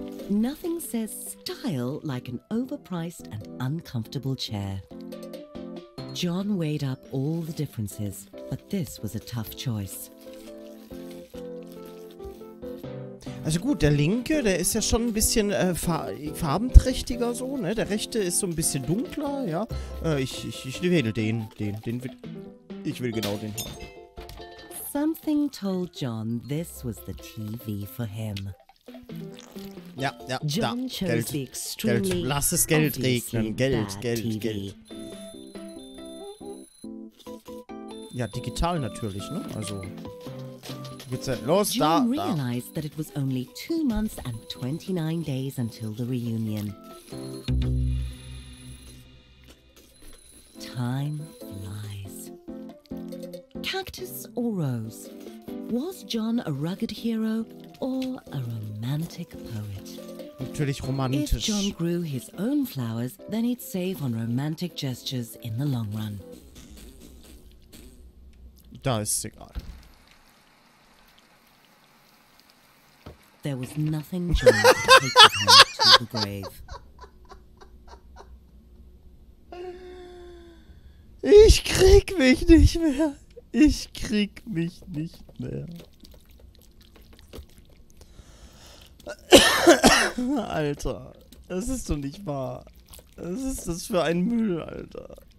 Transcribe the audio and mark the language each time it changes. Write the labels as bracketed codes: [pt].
[en] Nothing says style like an overpriced and uncomfortable chair. John weighed up all the differences, but this was a tough choice. [de] Also gut, der linke, der ist ja schon ein bisschen farbenträchtiger so, ne? Der rechte ist so ein bisschen dunkler, ja? Ich wähle den will, ich will genau den haben. [en] Something told John this was the TV for him. [de] Ja, ja, da. Geld, Geld. Lass es Geld regnen. Geld, Geld, TV. Geld. Ja, digital natürlich, ne? Also, jetzt los, [en] John [de] da, [en] realized that it was only 2 months and 29 days until the reunion. Time flies. Cactus or Rose? Was John a rugged hero or a romantic poet? [de] Natürlich romantisch. [en] If John grew his own flowers, then he'd save on romantic gestures in the long run. [de] Da ist egal. [en] There was nothing John could take with him to the grave. [de] Ich krieg mich nicht mehr. Ich krieg mich nicht mehr. Alter, das ist doch nicht wahr. Was ist das für ein Müll, Alter?